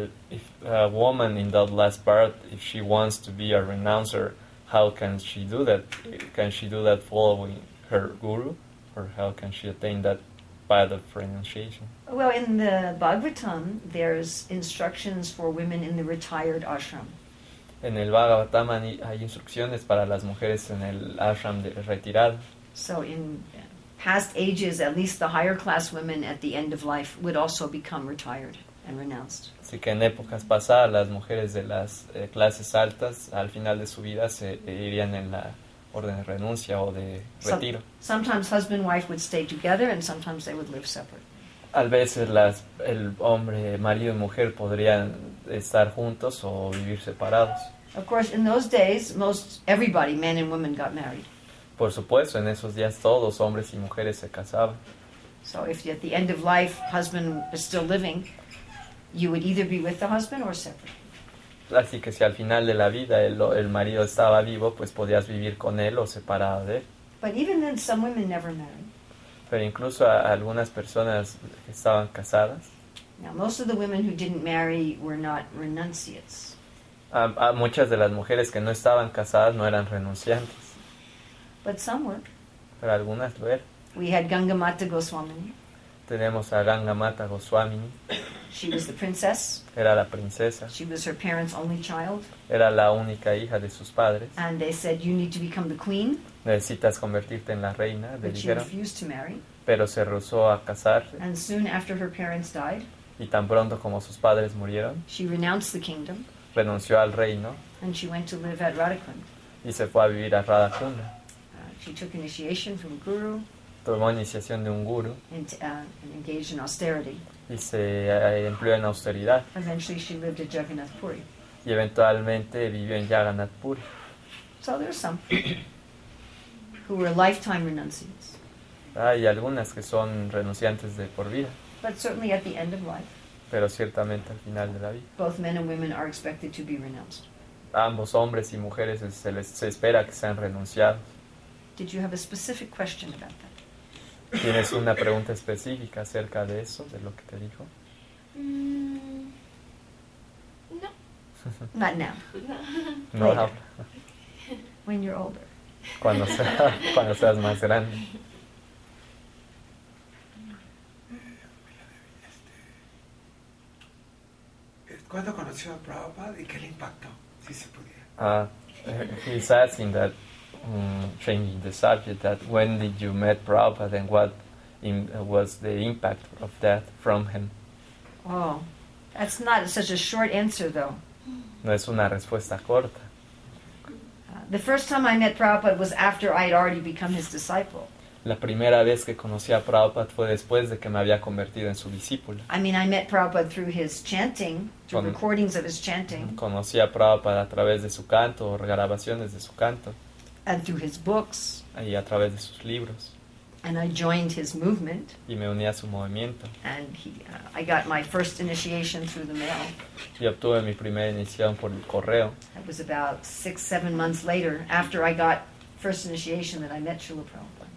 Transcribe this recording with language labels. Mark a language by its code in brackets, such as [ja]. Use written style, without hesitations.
[en] If a woman in that last part, if she wants to be a renouncer, how can she do that? Can she do that following her guru? Or how can she attain that path of renunciation? Well, in the Bhagavatam, there's instructions for women in the retired ashram. [es] En el Bhagavatam hay instrucciones para las mujeres en el ashram de retirado. [en] So in past ages, at least the higher class women at the end of life would also become retired and renounced. [es] Así que en épocas pasadas, las mujeres de las clases altas, al final de su vida, se irían en la orden de renuncia o de retiro. [en] Sometimes husband and wife would stay together and sometimes they would live separate. [es] A veces el hombre, marido y mujer podrían estar juntos o vivir separados. [en] Of course, in those days, most everybody, men and women, got married. [es] Por supuesto, en esos días todos, hombres y mujeres, se casaban. [en] So if at the end of life, husband is still living, you would either be with the husband or separate. [es] Así que si al final de la vida el marido estaba vivo, pues podías vivir con él o separado de él. [en] But even then, some women never married. [es] Pero incluso a algunas personas que estaban casadas. [en] Now, most of the women who didn't marry were not renunciates. [es] A muchas de las mujeres que no estaban casadas no eran renunciantes. [en] But some were. [es] Pero algunas lo eran. [en] We had Ganga Mata Goswami. [es] Tenemos a Ganga Mata Goswami. [en] She was the princess. [es] Era la princesa. [en] She was her parents' only child. [es] Era la única hija de sus padres. [en] And they said, you need to become the queen. [es] Necesitas convertirte en la reina, le dijeron. [en] She refused to marry. [es] Pero se rehusó a casarse. [en] And soon after her parents died, [es] y tan pronto como sus padres murieron, [en] she renounced the kingdom, [es] renunció al reino, [en] and she went to live at Radhakund. [es] Y se fue a vivir a Radhakunda. [en] She took initiation from a guru, [es] tomó iniciación de un guru, [en] and engaged in austerity. [es] Y se empleó en austeridad. [en] Eventually she lived at Jagannath Puri. [es] y eventualmente vivió en Jagannath Puri. [en] So there's some who were lifetime renunciants. [es] Hay algunas que son renunciantes de por vida. [en] But certainly at the end of life. [es] Pero ciertamente al final de la vida. [en] Both men and women are expected to be renounced. [es] Ambos hombres y mujeres se espera que sean renunciados. [en] Did you have a specific question about that? [es] ¿Tienes una pregunta específica acerca de eso, de lo que te dijo? [en] No. Not now. No. Later. Ahora. When you're older. [es] Cuando seas más grande. ¿Cuándo conoció a Prabhupada y qué le impactó, si se pudiera? [en] He's asking that, changing the subject, that when did you meet Prabhupada and what was the impact of that from him? Oh, that's not such a short answer, though. [es] No es una respuesta corta. [en] The first time I met Prabhupada was after I had already become his disciple. [es] La primera vez que conocí a Prabhupada fue después de que me había convertido en su discípulo. [en] I mean, I met Prabhupada through his chanting, through recordings of his chanting. [es] Conocí a Prabhupada a través de su canto o grabaciones de su canto. [en] And through his books. [es] Y a través de sus libros. [en] And I joined his movement. [es] Y me uní a su movimiento. [en] And I got my first initiation through the mail. [es] Y obtuve mi primera iniciación por el correo. [en] It was about 6-7 months later, after I got first initiation, that I met Srila Prabhupada.